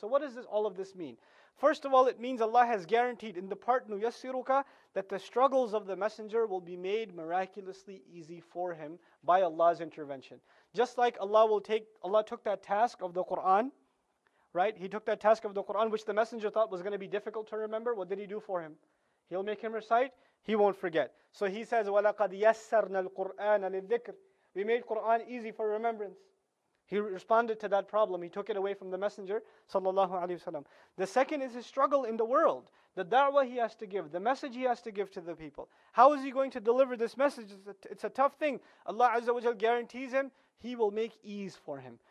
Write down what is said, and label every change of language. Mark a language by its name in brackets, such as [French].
[English] So what does this, all of this mean? First of all, it means Allah has guaranteed in the part Nuyassiruka that the struggles of the Messenger will be made miraculously easy for him by Allah's intervention. Just like Allah took that task of the Qur'an, right? He took that task of the Qur'an, which the Messenger thought was going to be difficult to remember. What did He do for him? He'll make him recite, he won't forget. So He says, [Arabic] وَلَقَدْ يَسَّرْنَا الْقُرْآنَ لِلذِّكْرِ. [English] We made Qur'an easy for remembrance. He responded to that problem. He took it away from the Messenger, sallallahu alaihi wasallam. The second is his struggle in the world. The da'wah he has to give, the message he has to give to the people. How is he going to deliver this message? It's a tough thing. Allah Azza wa Jal guarantees him, He will make ease for him.